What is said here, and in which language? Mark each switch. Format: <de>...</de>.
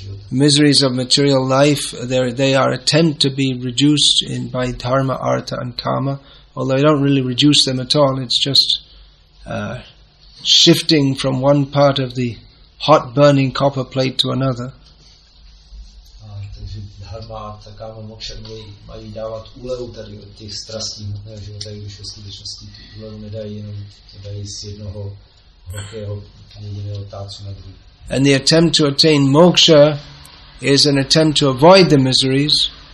<en>Miseries of material life, they are attempt to be reduced in by dharma, artha and kama, although they don't really reduce them at all, it's just shifting from one part of the hot burning copper plate to another.</en> <cs>Dharma, artha, kama, moksha mají dávat úlevu tady od těch strastí hmotného života, i když ve skutečnosti úlevu nedají, jenom to dají z jednoho velkého jediného tácu na druhý.</cs> <en>And the attempt to attain moksha is an attempt to avoid the miseries.</en>